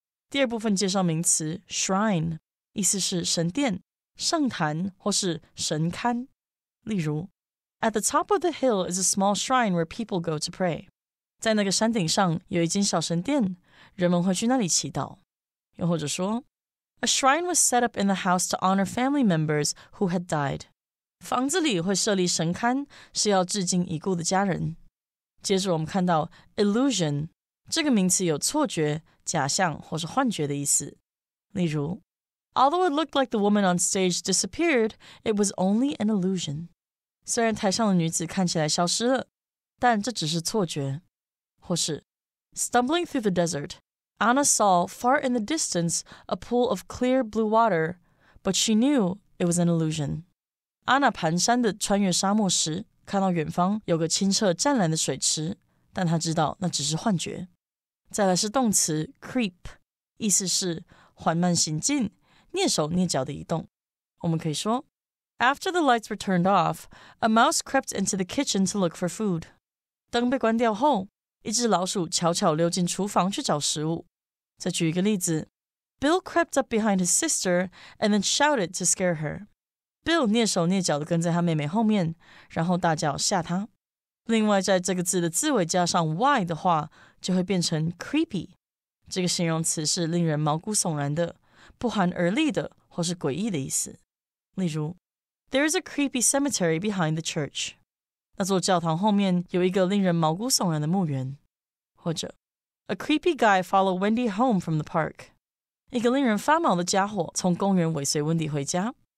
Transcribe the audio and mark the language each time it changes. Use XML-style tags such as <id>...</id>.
<zh>第二部分介绍名词 shrine， 意思是神殿、圣坛或是神龛。例如，</zh> <en>At the top of the hill is a small shrine where people go to pray.</en> <zh>在那个山顶上有一间小神殿，人们会去那里祈祷。又或者说</zh> <en>，A shrine was set up in the house to honor family members who had died.</en> <zh>房子里会设立神龛，是要致敬已故的家人。接着我们看到 illusion 这个名词有错觉、假象或是幻觉的意思。例如</zh> <en>，Although it looked like the woman on stage disappeared, it was only an illusion.</en> <zh>虽然台上的女子看起来消失了，但这只是错觉。或是</zh> <en>Stumbling through the desert, Anna saw far in the distance a pool of clear blue water, but she knew it was an illusion.</en> <zh>Anna 蹒跚地穿越沙漠时，看到远方有个清澈湛蓝的水池，但她知道那只是幻觉。再来是动词 creep， 意思是缓慢行进，蹑手蹑脚的移动。我们可以说</zh> <en>After the lights were turned off, a mouse crept into the kitchen to look for food.</en> <zh>灯被关掉后，一只老鼠悄悄溜进厨房去找食物。再举一个例子。</zh> <en>Bill crept up behind his sister and then shouted to scare her.</en> <zh>Bill 蹑手蹑脚地跟在他妹妹后面，然后大叫吓她。另外，在这个字的字尾加上 y 的话，就会变成 creepy。这个形容词是令人毛骨悚然的、不寒而栗的或是诡异的意思。例如</zh> <en>，There is a creepy cemetery behind the church.</en> <zh>那座教堂后面有一个令人毛骨悚然的墓园。或者</zh> <en>，A creepy guy followed Wendy home from the park.</en> <zh>一个令人发毛的家伙从公园尾随温迪回家。</zh>